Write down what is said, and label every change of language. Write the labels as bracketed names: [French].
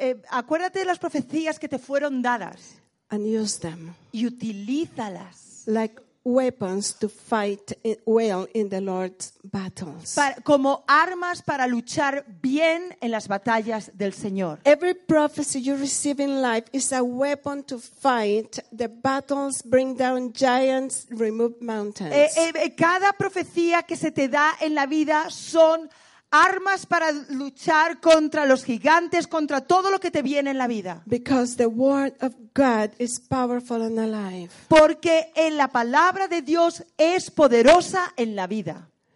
[Spanish] Acuérdate de las profecías que te fueron dadas. [English] And use them. [Spanish] Y utilízalas. [English] Like weapons to fight well in the Lord's battles. [Spanish] Como armas para luchar bien en las batallas del Señor. [English] Every prophecy you receive in life is a weapon to fight the battles, bring down giants, remove mountains. [Spanish] Cada profecía que se te da en la vida son armas para luchar contra los gigantes, contra todo lo que te viene en la vida. [English] Because the word of God is powerful and alive. [Spanish] Porque en la palabra de Dios es poderosa en la vida.